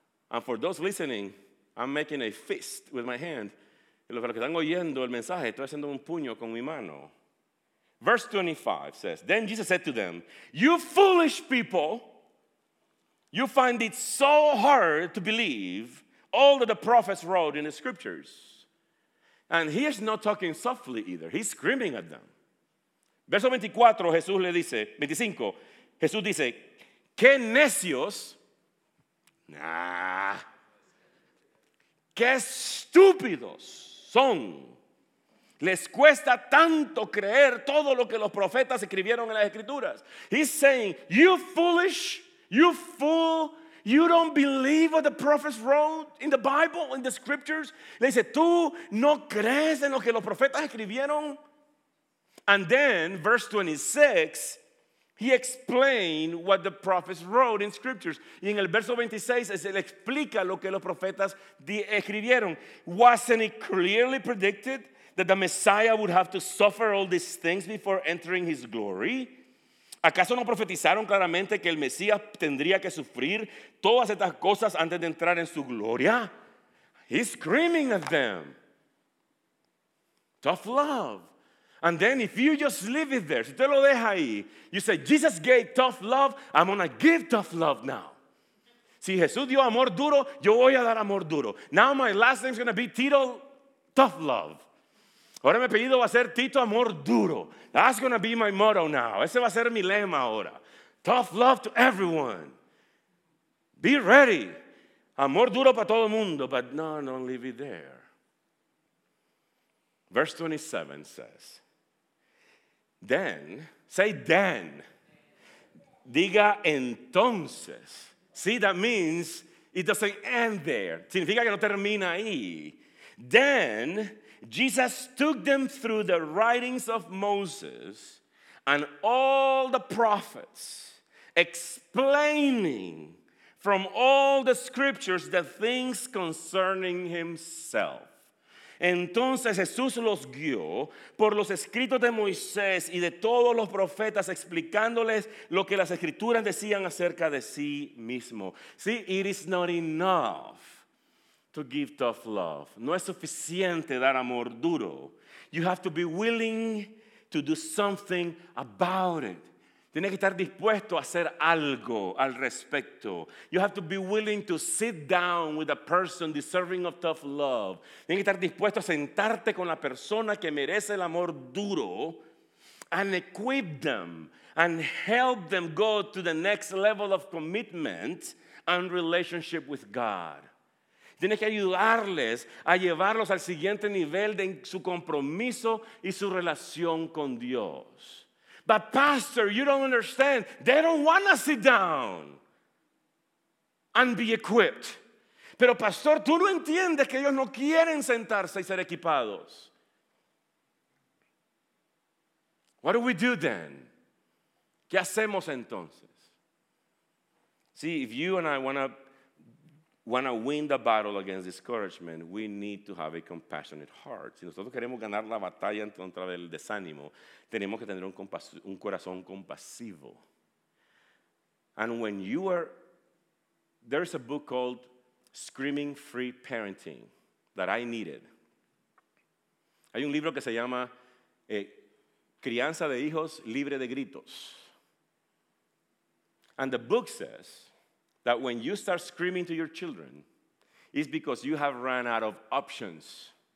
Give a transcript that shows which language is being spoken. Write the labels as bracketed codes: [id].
[en] And for those listening, I'm making a fist with my hand. [es] Y los que están oyendo el mensaje, estoy haciendo un puño con mi mano. [en] Verse 25 says, then Jesus said to them, you foolish people, you find it so hard to believe all that the prophets wrote in the scriptures. And he is not talking softly either. He's screaming at them. [es] Verso 24, Jesús le dice, 25, Jesús dice, ¿qué necios? [en] Nah. [es] ¿Qué estúpidos son? Les cuesta tanto creer todo lo que los profetas escribieron en las escrituras. [en] He's saying, you foolish, you fool, you don't believe what the prophets wrote in the Bible, in the scriptures. [es] Le dice, tú no crees en lo que los profetas escribieron. [en] And then, verse 26, he explained what the prophets wrote in scriptures. [es] Y en el verso 26, él explica lo que los profetas escribieron. [en] Wasn't it clearly predicted that the Messiah would have to suffer all these things before entering his glory? [es] ¿Acaso no profetizaron claramente que el Mesías tendría que sufrir todas estas cosas antes de entrar en su gloria? [en] He's screaming at them. Tough love. And then if you just leave it there, [es] si te lo deja ahí, [en] you say, Jesus gave tough love, I'm going to give tough love now. [es] Si Jesús dio amor duro, yo voy a dar amor duro. [en] Now my last name is going to be Tito Tough Love. [es] Ahora mi apellido va a ser Tito Amor Duro. [en] That's going to be my motto now. [es] Ese va a ser mi lema ahora. [en] Tough love to everyone. Be ready. [es] Amor duro para todo el mundo, [en] but no, don't leave it there. Verse 27 says, then, say then, [es] diga entonces. [en] See, that means it doesn't end there. [es] Significa que no termina ahí. [en] Then, Jesus took them through the writings of Moses and all the prophets, explaining from all the scriptures the things concerning himself. [es] Entonces Jesús los guió por los escritos de Moisés y de todos los profetas, explicándoles lo que las escrituras decían acerca de sí mismo. [en] See, it is not enough to give tough love. [es] No es suficiente dar amor duro. [en] You have to be willing to do something about it. [es] Tienes que estar dispuesto a hacer algo al respecto. [en] You have to be willing to sit down with a person deserving of tough love. [es] Tienes que estar dispuesto a sentarte con la persona que merece el amor duro [en] and equip them and help them go to the next level of commitment and relationship with God. [es] Tienes que ayudarles a llevarlos al siguiente nivel de su compromiso y su relación con Dios. [en] But pastor, you don't understand. They don't want to sit down and be equipped. [es] Pero pastor, tú no entiendes que ellos no quieren sentarse y ser equipados. [en] What do we do then? [es] ¿Qué hacemos entonces? [en] See, if you and I want to win the battle against discouragement, we need to have a compassionate heart. [es] Si nosotros queremos ganar la batalla en contra del desánimo, tenemos que tener un corazón compasivo. [en] And when you are, there is a book called Screaming Free Parenting that I needed. [es] Hay un libro que se llama Crianza de Hijos Libre de Gritos. [en] And the book says that when you start screaming to your children, it's because you have run out of options.